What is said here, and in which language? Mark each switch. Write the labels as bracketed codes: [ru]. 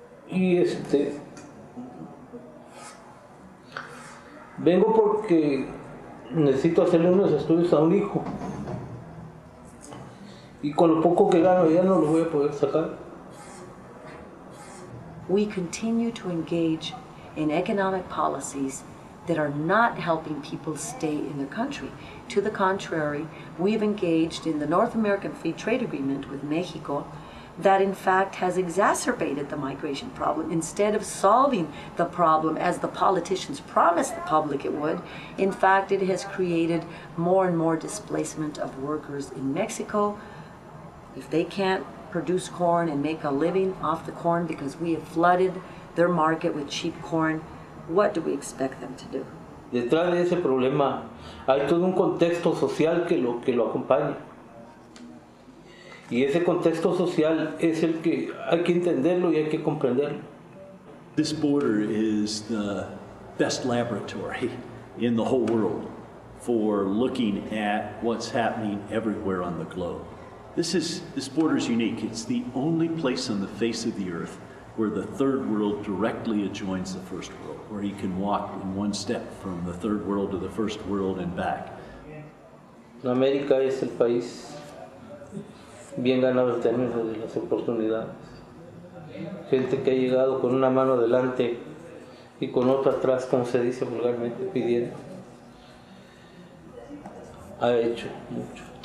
[es] Y vengo porque necesito hacerle unos estudios a un hijo. Y con lo poco que gano ya no lo voy a poder sacar. [en] We continue to engage in economic policies that are not helping people stay in their country. To the contrary, we have engaged in the North American Free Trade Agreement with Mexico that in fact has exacerbated the migration problem. Instead of solving the problem as the politicians promised the public it would, in fact it has created more and more displacement of workers in Mexico. If they can't produce corn and make a living off the corn because we have flooded their market with cheap corn, what do we expect them to do? [es] Detrás de ese problema hay todo un contexto social que lo acompaña. Y ese contexto social es el que hay que entenderlo y hay que comprenderlo. [en] This border is the best laboratory in the whole world for looking at what's happening everywhere on the globe. This border is unique. It's the only place on the face of the earth where the third world directly adjoins the first world, where you can walk in one step from the third world to the first world and back. [es] América es el país bien ganado en términos de las oportunidades. Gente que ha llegado con una mano adelante y con otra atrás, como se dice vulgarmente, pidiendo, ha hecho mucho.